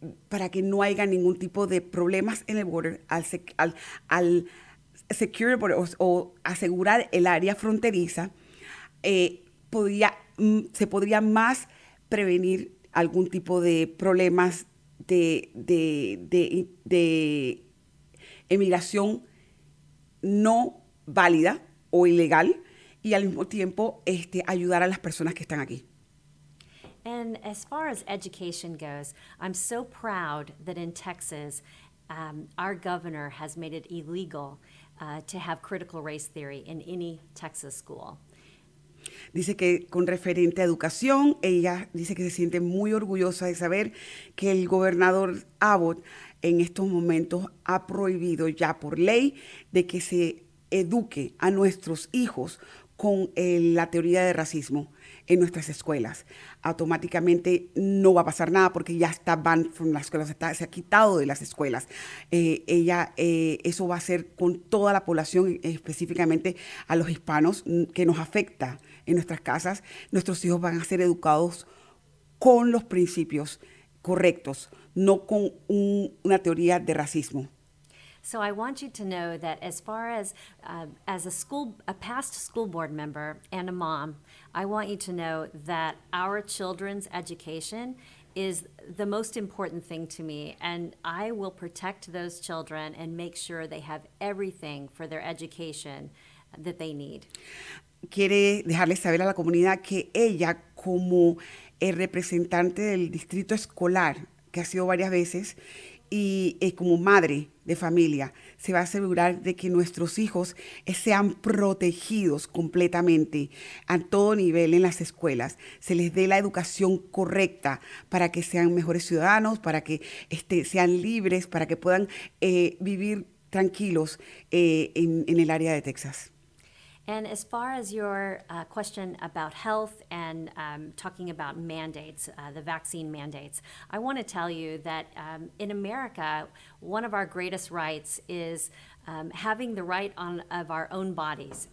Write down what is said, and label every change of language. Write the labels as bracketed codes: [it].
[es] Para que no haya ningún tipo de problemas en el border, al [en] secure border, [es] o asegurar el área fronteriza, se podría más prevenir algún tipo de problemas de emigración no válida o ilegal, y al mismo tiempo ayudar a las personas que están aquí. [en] And as far as education goes, I'm so proud that in Texas, our governor has made it illegal to have critical race theory in any Texas school. [es] Dice que con referente a educación, ella dice que se siente muy orgullosa de saber que el gobernador Abbott en estos momentos ha prohibido ya por ley de que se eduque a nuestros hijos con la teoría de racismo en nuestras escuelas. Automáticamente no va a pasar nada porque ya está [en] banned from [es] las escuelas, se ha quitado de las escuelas. Eso va a ser con toda la población, específicamente a los hispanos, que nos afecta en nuestras casas. Nuestros hijos van a ser educados con los principios correctos, no con una teoría de racismo. [en] So I want you to know that as far as a past school board member and a mom, I want you to know that our children's education is the most important thing to me, and I will protect those children and make sure they have everything for their education that they need. [es] Quiere dejarle saber a la comunidad que ella, como el representante del distrito escolar, que ha sido varias veces, y como madre de familia, se va a asegurar de que nuestros hijos sean protegidos completamente a todo nivel en las escuelas. Se les dé la educación correcta para que sean mejores ciudadanos, para que sean libres, para que puedan vivir tranquilos en el área de Texas. [en] And as far as your question about health and talking about mandates, the vaccine mandates, I want to tell you that in America, one of our greatest rights is having the right on of our own bodies.